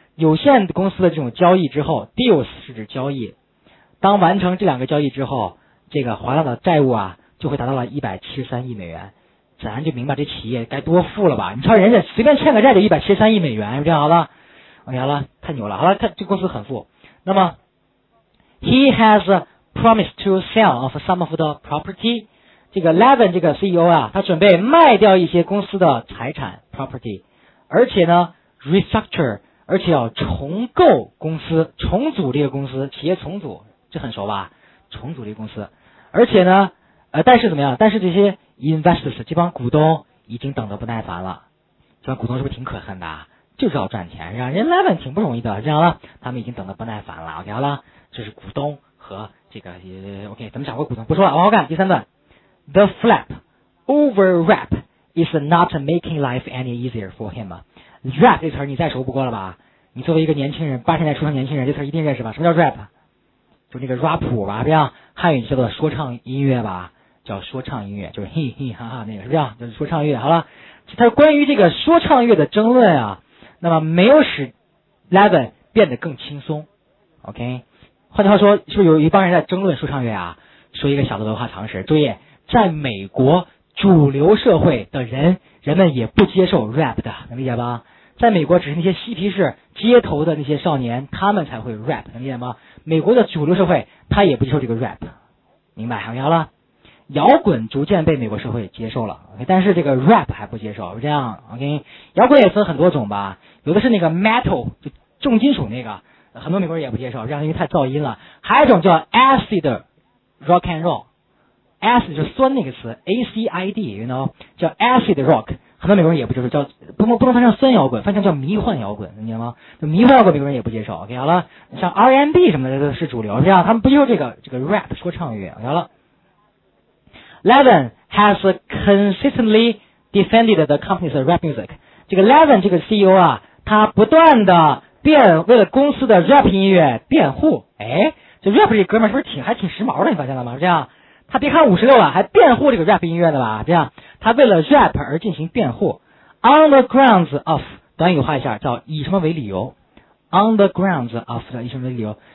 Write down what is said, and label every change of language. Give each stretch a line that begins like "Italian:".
Chinese: 有线公司的这种交易之后 ，deals 是指交易。当完成这两个交易之后，这个华纳的债务啊就会达到了173亿美元。咱就明白这企业该多富了吧？你瞧人家随便欠个债就173亿美元，这样好了，哎呀了，太牛了，好了，这公司很富。那么
English: ，he has promised to sell off some of the property。
Chinese: 这个 Levin 这个 CEO 啊，他准备卖掉一些公司的财产 property， 而且呢 restructure， 而且要重构公司，重组这个公司，企业重组，这很熟吧？重组这个公司，而且呢，但是怎么样？但是这些 investors 这帮股东已经等得不耐烦了，这帮股东是不是挺可恨的？就是要赚钱，是吧？人 Levin 挺不容易的，这样了，他们已经等得不耐烦了 ，OK 好了，这是股东和这个 OK， 咱们讲过股东，不说了，往后看第三段。
English: The flap over wrap is not making life any easier for him.
Chinese: Wrap 这词儿你再熟不过了吧？你作为一个年轻人，80年代出生年轻人，这词儿一定认识吧？什么叫 rap？就那个 rap 吧，这样汉语叫做说唱音乐吧，叫说唱音乐，就是嘿嘿哈哈那个，是这样，就是说唱乐。好了，它关于这个说唱乐的争论啊，那么没有使 Levin 变得更轻松。 OK， 换句话说，是不是有一帮人在争论说唱乐啊？说一个小的文化常识，注意。在美国主流社会的人们也不接受 rap 的，能理解吧？在美国只是那些嬉皮士街头的那些少年，他们才会 rap， 能理解吗？美国的主流社会他也不接受这个 rap， 明白？好了，摇滚逐渐被美国社会接受了，但是这个 rap 还不接受，这样 OK？摇滚也分很多种吧，有的是那个 metal， 就重金属那个，很多美国人也不接受，这样因为太噪音了。还有一种叫 acid rock and roll。 Acid 就是酸那个词 ，acid，
English: you know，
Chinese: 叫 acid rock， 很多美国人也不接受，叫不能翻成酸摇滚，翻成叫迷幻摇滚，你知道吗？迷幻摇滚美国人也不接受。OK， 好了，像 R&B 什么的是主流，这样他们不接受这个 rap 说唱乐。好了
English: ，Levin has consistently defended the company's rap music。
Chinese: 这个 Levin 这个 CEO 啊，他不断的辩为了公司的 rap 音乐辩护。哎，这 rap 这哥们是不是还挺时髦的？你发现了吗？这样。他别看56了，还辩护这个 rap 音乐的吧？这样，他为了 rap 而进行辩护。
English: On the grounds of，
Chinese: 短语化一下，叫以什么为理由 ？On the grounds of 叫以什么为理由？